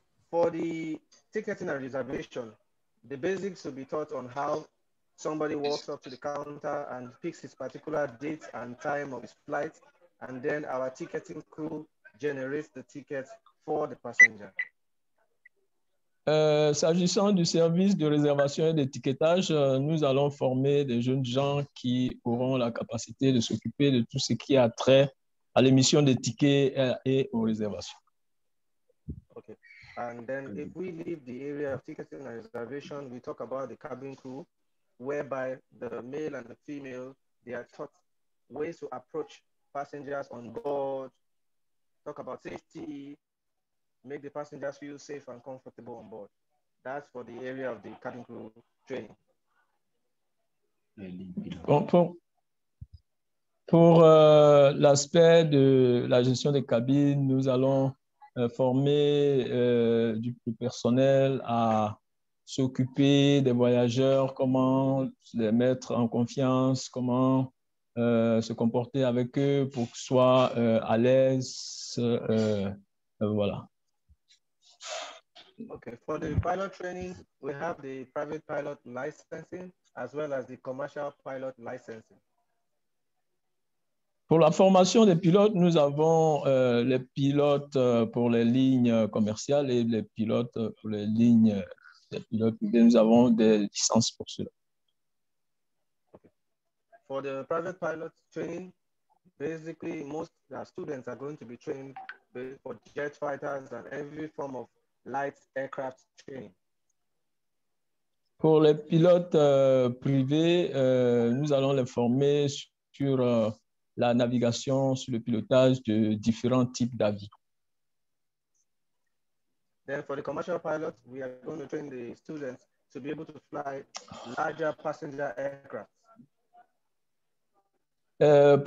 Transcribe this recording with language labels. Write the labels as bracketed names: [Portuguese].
[English] For the ticketing and reservation, the basics will be taught on how somebody walks up to the counter and picks his particular date and time of his flight, and then our ticketing crew generates the ticket for the passenger. [French] S'agissant du service de réservation et d'étiquetage, nous allons former des jeunes gens qui auront la capacité de s'occuper de tout ce qui a trait à l'émission des tickets et aux réservations. [English] Okay. And then if we leave the area of ticketing and reservation, we talk about the cabin crew, whereby the male and the female, they are taught ways to approach passengers on board, talk about safety, make the passengers feel safe and comfortable on board. That's for the area of the cabin crew training. [French] Bon, pour l'aspect de la gestion des cabines, nous allons former du personnel à s'occuper des voyageurs, comment les mettre en confiance, comment se comporter avec eux pour qu'ils soient à l'aise. Voilà. [English] Okay, for the pilot training, we have the private pilot licensing as well as the commercial pilot licensing. [French] Pour la formation des pilotes, nous avons les pilotes pour les lignes commerciales et les pilotes pour les lignes des pilotes. Et nous avons des licences pour cela. [English] For the private pilot training, basically most students are going to be trained for jet fighters and every form of light aircraft training. [French] Pour les pilotes privés, nous allons les former sur la navigation, sur le pilotage de différents types d'avions. [English] Then for the commercial pilots, we are going to train the students to be able to fly larger passenger aircraft.